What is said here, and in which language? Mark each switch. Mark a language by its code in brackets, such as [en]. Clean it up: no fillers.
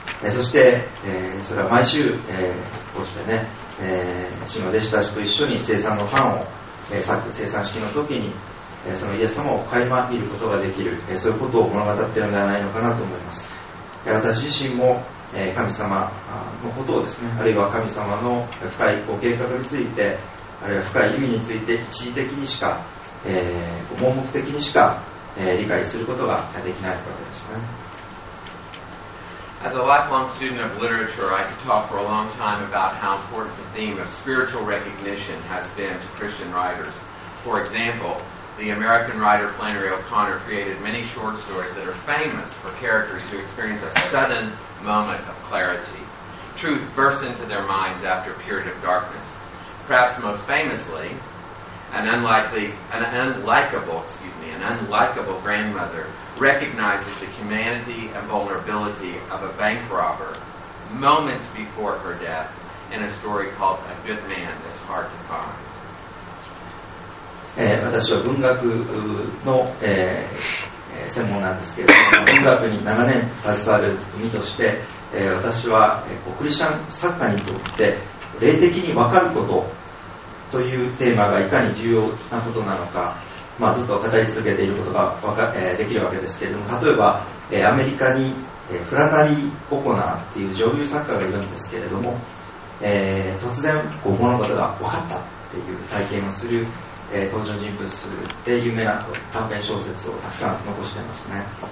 [ja] そして、それは毎週、こうしてね、主の弟子たちと一緒に聖餐のパンを生産式の時にそのイエス様を垣間見ることができる、そういうことを物語っているのではないのかなと思います。私自身も神様のことをですね、あるいは神様の深いご計画について、あるいは深い意味について、一時的にしか、盲目的にしか理解することができないわけですね。 [en] As a lifelong student of literature, I could talk for a long time about how important the theme of spiritual recognition has been to Christian writers. For example, the American writer Flannery O'Connor created many short stories that are famous for characters who experience a sudden moment of clarity. Truth bursts into their minds after a period of darkness. Perhaps most famously, an unlikable grandmother recognizes the humanity and vulnerability of a bank robber moments before her death in a story called A Good Man Is Hard to Find. [ja] 私は文学の、専門なんですけれども、文学に長年携わる身として、私は、クリスチャン作家にとって霊的に分かることというテーマがいかに重要なことなのか、ずっと語り続けていることが分かできるわけですけれども、例えば、アメリカに、フラナリー・オコナーっていう女流作家がいるんですけれども、突然こう物事が分かったっていう体験をする、登場人物で有名な短編小説をたくさん残してますね。